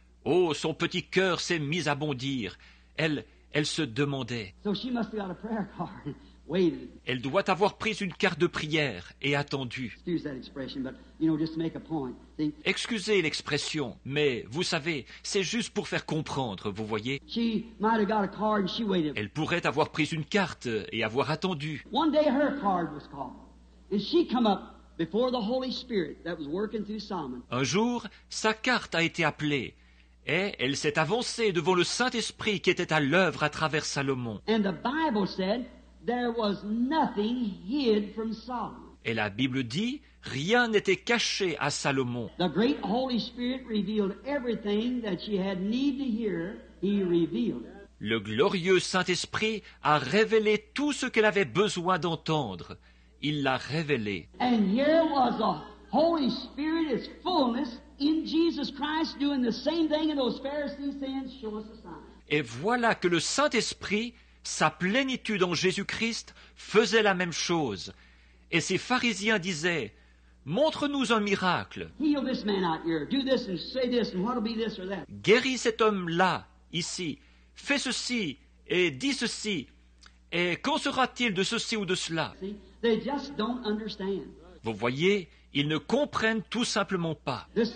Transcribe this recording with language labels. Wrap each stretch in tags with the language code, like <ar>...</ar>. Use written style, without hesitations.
<fr>Oh, son petit cœur s'est mis à bondir. Elle se demandait.</fr> <en>So she must have got a prayer card and waited.</en> <fr>Elle doit avoir pris une carte de prière et attendu.</fr> <en>Excuse that expression, but, you know, just to make a point.</en> <fr>Excusez l'expression, mais vous savez, c'est juste pour faire comprendre, vous voyez.</fr> <en>She might have got a card and she waited.</en> <fr>Elle pourrait avoir pris une carte et avoir attendu.</fr> <en>One day her card was called, and she come up before the Holy Spirit that was working through Solomon.</en> <fr>Un jour, sa carte a été appelée. Et elle s'est avancée devant le Saint-Esprit qui était à l'œuvre à travers Salomon.</fr> <en>And the Bible said there was nothing hid from Solomon.</en> <fr>Et la Bible dit, rien n'était caché à Salomon.</fr> <en>The great Holy Spirit revealed everything that she had need to hear, he revealed.</en> <fr>Le glorieux Saint-Esprit a révélé tout ce qu'elle avait besoin d'entendre. Il l'a révélé.</fr> <en>And here was the Holy Spirit, his fullness, in Jesus Christ doing the same thing in those Pharisees' hands, show us a sign.</en> <fr>Et voilà que le Saint-Esprit, sa plénitude en Jésus-Christ, faisait la même chose. Et ces pharisiens disaient, montre-nous un miracle.</fr> <en>Heal this man out here. Do this and say this and what'll be this or that.</en> <fr>Guéris cet homme-là, ici. Fais ceci et dis ceci. Et qu'en sera-t-il de ceci ou de cela?</fr> <en>See, they just don't understand.</en> <fr>Vous voyez, ils ne comprennent tout simplement pas.</fr>